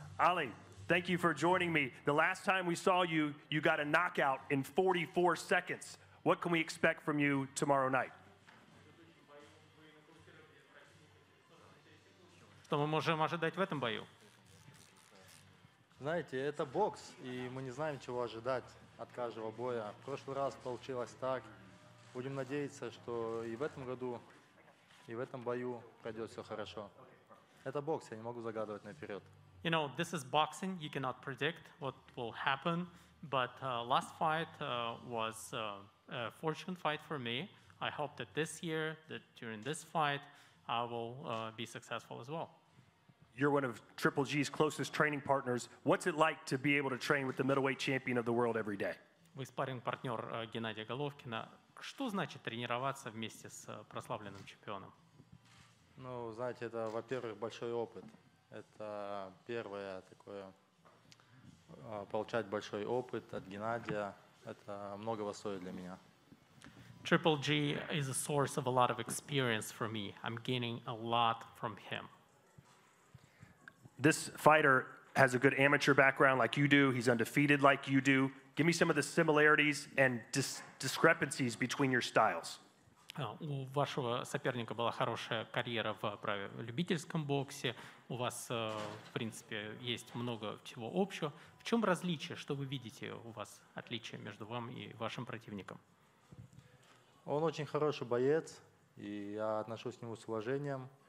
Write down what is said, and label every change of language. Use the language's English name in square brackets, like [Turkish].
[English] Ali, thank you for joining me. The last time we saw you, you got a knockout in 44 seconds. What can we expect from you tomorrow night? What can we expect from you tomorrow night? [Russian] Знаете, это бокс, и мы не знаем, чего ожидать. от каждого боя. В прошлый раз получилось так. Будем надеяться, что и в этом году, и в этом бою пройдет все хорошо. Это бокс, я не могу загадывать наперед. [English] You know, this is boxing. You cannot predict what will happen. But last fight was a fortune fight for me. I hope that this year, that during this fight, I will be successful as well. You're one of Triple G's closest training partners. What's it like to be able to train with the middleweight champion of the world every day? [Russian] Вы спарринг-партнер Геннадия Головкина. Что значит тренироваться вместе с прославленным чемпионом? Ну, знаете, это, во-первых, большой опыт. Это первое такое, получать большой опыт от Геннадия. Это многого стоит для меня. [English] Triple G is a source of a lot of experience for me. I'm gaining a lot from him. This fighter has a good amateur background like you do. He's undefeated like you do. Give me some of the similarities and discrepancies between your styles. [Russian] У вашего соперника была хорошая карьера в любительском боксе. У вас, в принципе, есть много чего общего. В чем различие? Что вы видите у вас отличие между вам и вашим противником? Он очень хороший боец, и я отношусь к нему с уважением.